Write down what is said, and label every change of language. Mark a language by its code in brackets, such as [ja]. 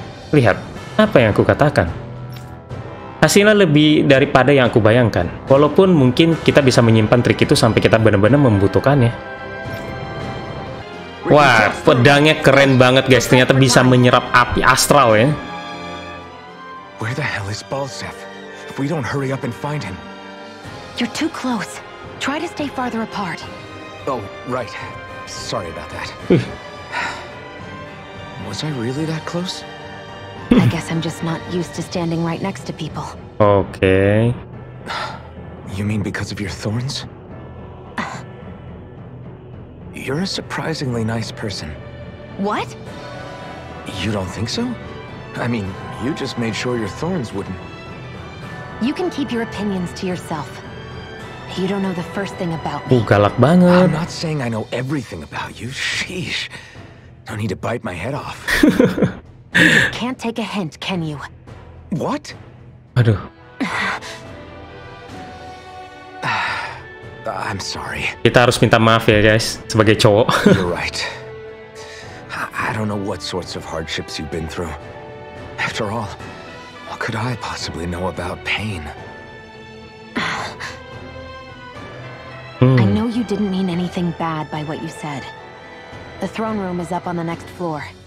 [id] Lihat, apa yang aku katakan. Hasilnya lebih daripada yang aku bayangkan. Walaupun mungkin kita bisa menyimpan trik itu sampai kita benar-benar membutuhkannya. Wah, pedangnya keren banget guys. Ternyata bisa menyerap api astral ya. [en] Where the hell is Balseth? If we don't hurry up and find him. You're too close. Try to stay farther apart. Oh, right. Sorry about that. Was I really that close? I guess I'm just not used to standing right next to people. Okay. You mean because of your thorns? You're a surprisingly nice person. What? You don't think so? I mean, you just made sure your thorns wouldn't. You can keep your opinions to yourself. You don't know the first thing about me. [id] Galak banget. [en] I'm not saying I know everything about you. Sheesh. No need to bite my head off. You can't take a hint, can you? What? [id] Aduh. [en] I'm sorry. [id] Kita harus minta maaf ya guys, sebagai cowok. [en] You're right. I don't know what sorts of hardships you've been through. After all, what could I possibly know about pain? I know you didn't mean anything bad by what you said. The throne room is up on the next floor.